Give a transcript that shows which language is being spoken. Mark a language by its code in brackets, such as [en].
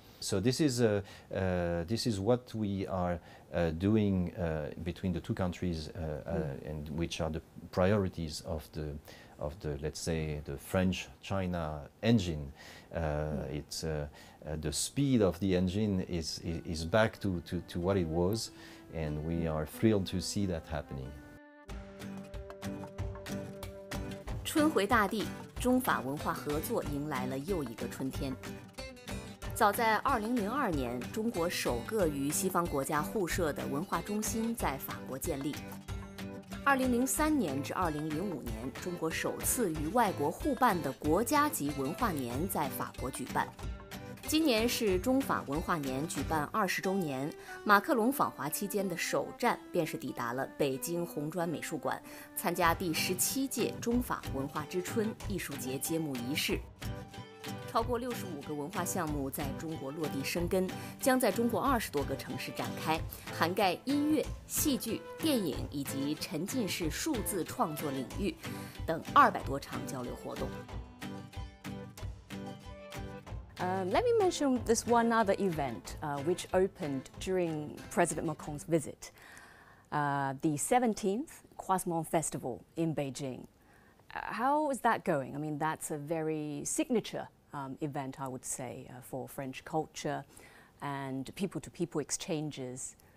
[en] So this is what we are doing between the two countries, and which are the priorities of the. Of the, let's say, the French-China engine. It's the speed of the engine is back to what it was, and we are thrilled to see that happening. [zh] 春回大地，中法文化合作迎来了又一个春天。早在2002年，中国首个与西方国家互设的文化中心在法国建立。 2003年至2005年，中国首次与外国互办的国家级文化年在法国举办。今年是中法文化年举办20周年，马克龙访华期间的首站便是抵达了北京红砖美术馆，参加第17届中法文化之春艺术节揭幕仪式。超过65个文化项目在中国落地生根，将在中国20多个城市展开，涵盖音乐、戏剧、电影以及沉浸式数字创作领域等200多场交流活动。 [en] Let me mention this one other event, which opened during President Macron's visit, the 17th Croisement Festival in Beijing. How is that going? I mean, that's a very signature event, I would say, for French culture and people-to-people exchanges.